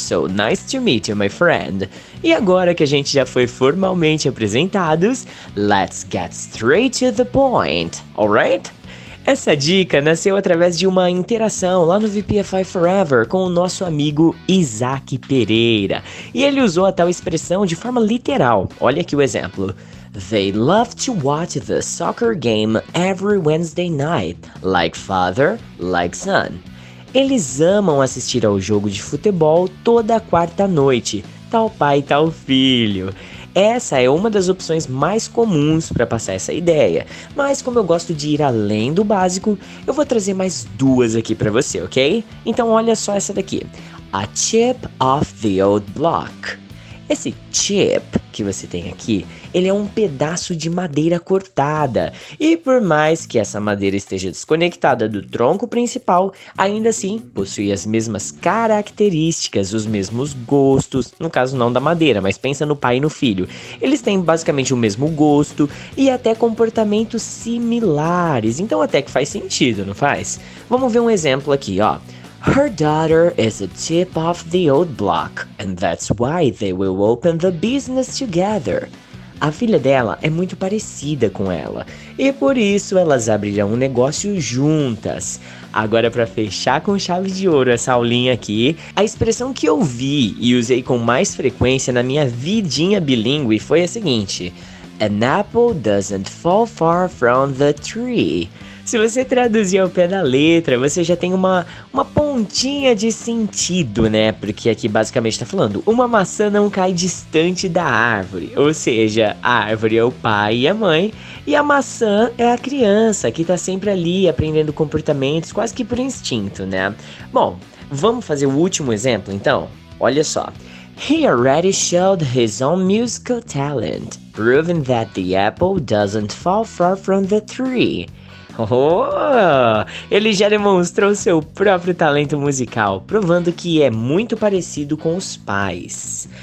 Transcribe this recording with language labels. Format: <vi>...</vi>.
<en>So nice to meet you, my friend.</en> <pt>E agora que a gente já foi formalmente apresentados,</pt> <en>let's get straight to the point, alright?</en> <pt>Essa dica nasceu através de uma interação lá no VPFI Forever com o nosso amigo Isaac Pereira. E ele usou a tal expressão de forma literal. Olha aqui o exemplo.</pt> <en>They love to watch the soccer game every Wednesday night, like father, like son.</en> <pt>Eles amam assistir ao jogo de futebol toda quarta noite, tal pai, tal filho. Essa é uma das opções mais comuns para passar essa ideia, mas como eu gosto de ir além do básico, eu vou trazer mais duas aqui para você, ok? Então olha só essa daqui,</pt> <en>a chip off the old block.</en> <pt>Esse chip que você tem aqui, ele é um pedaço de madeira cortada, e por mais que essa madeira esteja desconectada do tronco principal, ainda assim possui as mesmas características, os mesmos gostos, no caso não da madeira, mas pensa no pai e no filho. Eles têm basicamente o mesmo gosto e até comportamentos similares, então até que faz sentido, não faz? Vamos ver um exemplo aqui, ó.</pt> <en>Her daughter is a chip off the old block, and that's why they will open the business together.</en> <pt>A filha dela é muito parecida com ela, e por isso elas abrirão um negócio juntas. Agora, para fechar com chave de ouro essa aulinha aqui, a expressão que eu vi e usei com mais frequência na minha vidinha bilíngue foi a seguinte:</pt> <en>An apple doesn't fall far from the tree.</en> <pt>Se você traduzir ao pé da letra, você já tem uma pontinha de sentido, né? Porque aqui basicamente tá falando, uma maçã não cai distante da árvore. Ou seja, a árvore é o pai e a mãe, e a maçã é a criança, que tá sempre ali aprendendo comportamentos, quase que por instinto, né? Bom, vamos fazer o último exemplo, então? Olha só.</pt> <en>He already showed his own musical talent, proving that the apple doesn't fall far from the tree.</en> <pt>Oh, ele já demonstrou seu próprio talento musical, provando que é muito parecido com os pais.</pt>